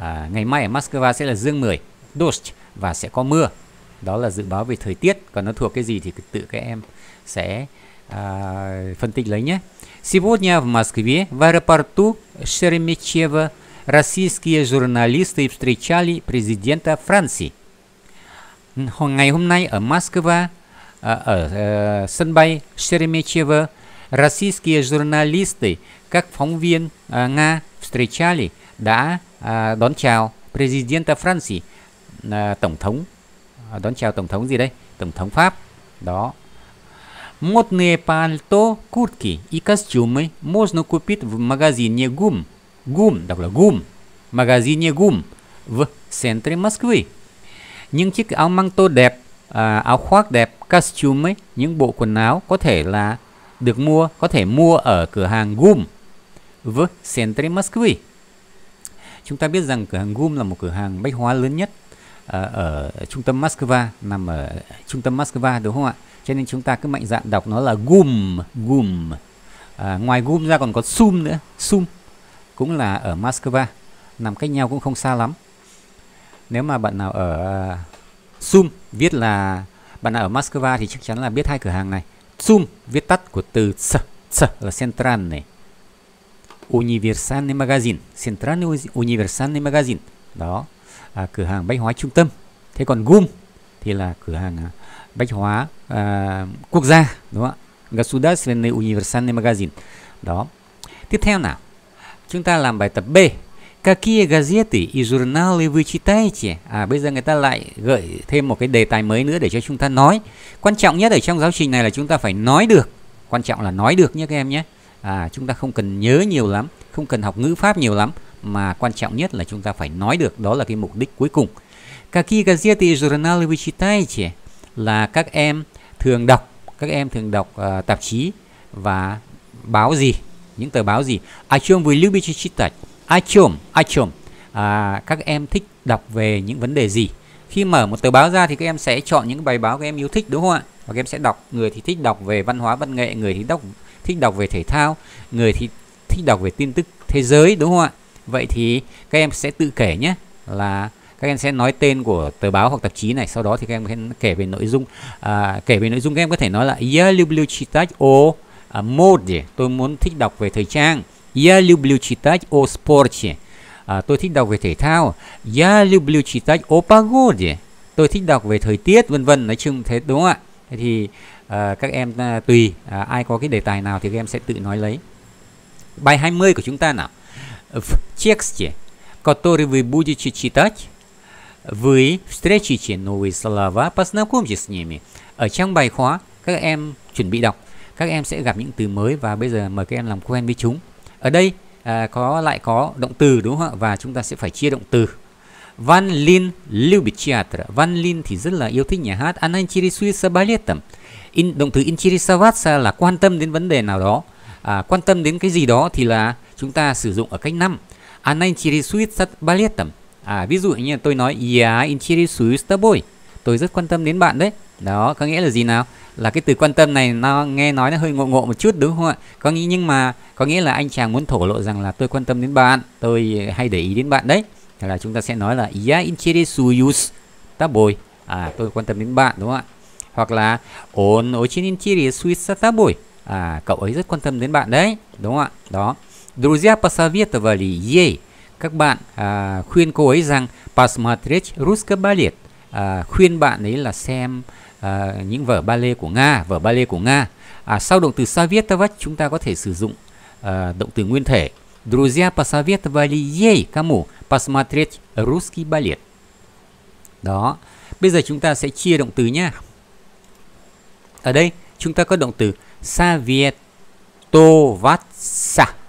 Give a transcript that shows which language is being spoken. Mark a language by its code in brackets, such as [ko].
[vi] Ngày mai ở Moscow sẽ là dương 10 дождь và sẽ có mưa. Đó là dự báo về thời tiết. Còn nó thuộc cái gì thì tự các em sẽ phân tích lấy nhé. [ru] Сегодня в Москве в аэропорту Шереметьево российские журналисты встречали президента Франции. [vi] Ngày hôm nay ở Moscow, ở sân bay Шереметьево, [ru] российские журналисты, [vi] các phóng viên Nga [ru] встречали, [vi] đã đón chào [ru] президента Франции, [vi] tổng thống, đón chào tổng thống gì đây? Tổng thống Pháp. Đó. [ru] Модные пальто, куртки и костюмы можно купить в магазине ГУМ. [vi] ГУМ, đọc là ГУМ. [ru] Магазине ГУМ в центре Москвы. [vi] Những chiếc áo măng tô đẹp, áo khoác đẹp, костюмы, những bộ quần áo có thể là được mua, có thể mua ở cửa hàng ГУМ [ru] в центре Москвы. [vi] Chúng ta biết rằng cửa hàng ГУМ là một cửa hàng bách hóa lớn nhất ở trung tâm Moscow, nằm ở trung tâm Moscow, đúng không ạ? Cho nên chúng ta cứ mạnh dạn đọc nó là ГУМ, ГУМ. Ngoài ГУМ ra còn có SUM nữa, SUM, cũng là ở Moscow, nằm cách nhau cũng không xa lắm. Nếu mà bạn nào ở SUM, viết là bạn nào ở Moscow thì chắc chắn là biết hai cửa hàng này. SUM, viết tắt của từ C, C là [ru] Центральный универсальный магазин. Центральный универсальный магазин. [vi] Đó, cửa hàng bách hóa trung tâm. Thế còn ГУМ thì là cửa hàng bách hóa quốc gia, đúng không ạ? [ru] Государственный универсальный магазин. [vi] Đó. Tiếp theo nào. Chúng ta làm bài tập B. [ru] Какие газеты и журналы вы читаете? [vi] À bây giờ người ta lại gợi thêm một cái đề tài mới nữa để cho chúng ta nói. Quan trọng nhất ở trong giáo trình này là chúng ta phải nói được. Quan trọng là nói được nhé các em nhé. À chúng ta không cần nhớ nhiều lắm, không cần học ngữ pháp nhiều lắm, mà quan trọng nhất là chúng ta phải nói được, đó là cái mục đích cuối cùng. [ru] Какие газеты и журналы вы читаете? [vi] Là các em thường đọc, các em thường đọc tạp chí và báo gì, những tờ báo gì. [ru] О чем вы любите читать? О чем? О чем? [vi] Các em thích đọc về những vấn đề gì? Khi mở một tờ báo ra thì các em sẽ chọn những bài báo các em yêu thích, đúng không ạ? Và các em sẽ đọc, người thì thích đọc về văn hóa văn nghệ, người thì thích đọc về thể thao, người thì thích đọc về tin tức thế giới, đúng không ạ? Vậy thì các em sẽ tự kể nhé, là các em sẽ nói tên của tờ báo hoặc tạp chí này, sau đó thì các em sẽ kể về nội dung. Kể về nội dung các em có thể nói là [ru] Я люблю читать о моде, [vi] tôi muốn thích đọc về thời trang. [ru] Я люблю читать о спорте, [vi] tôi thích đọc về thể thao. [ru] Я люблю читать о погоде, [vi] tôi thích đọc về thời tiết, vân vân. Nói chung thế, đúng không ạ? Thì các em tùy ai có cái đề tài nào thì các em sẽ tự nói lấy. Bài 20 của chúng ta nào. [ru] В тексте, который вы будете читать, вы встречите новые слова, познакомьтесь с ними. [vi] Ở trong bài khóa, các em chuẩn bị đọc, các em sẽ gặp những từ mới và bây giờ mời các em làm quen với chúng. Ở đây có động từ đúng không ạ? Và chúng ta sẽ phải chia động từ. Văn Linh lưu bị theater. Văn Linh thì rất là yêu thích nhà hát. Anh [ru] interesuется балетом. [vi] Động từ interesоваться là quan tâm đến vấn đề nào đó. Quan tâm đến cái gì đó thì là chúng ta sử dụng ở cách 5. Anh [ru] interesuется балетом. [vi] Ví dụ như tôi nói [ru] я интересуюсь тобой. [vi] Tôi rất quan tâm đến bạn đấy. Đó, có nghĩa là gì nào? Là cái từ quan tâm này nó nghe nói nó hơi ngộ ngộ một chút đúng không ạ? Có nghĩa là anh chàng muốn thổ lộ rằng là tôi quan tâm đến bạn, tôi hay để ý đến bạn đấy. Thì là chúng ta sẽ nói là [ru] я интересуюсь тобой. [vi] Tôi quan tâm đến bạn đúng không ạ? Hoặc là [ru] он очень интересуется тобой. [vi] Cậu ấy rất quan tâm đến bạn đấy, đúng không ạ? Đó. [ru] Друзья посоветовали ей. [vi] Các bạn khuyên cô ấy rằng [ru] посмотреть русский балет. [vi] Khuyên bạn ấy là xem những vở ballet của Nga, vở ballet của Nga. Sau động từ советовать chúng ta có thể sử dụng động từ nguyên thể. [ru] Друзья посоветовали ей кому посмотреть русский балет. [vi] Đó. Bây giờ chúng ta sẽ chia động từ nha. Ở đây chúng ta có động từ советоваться.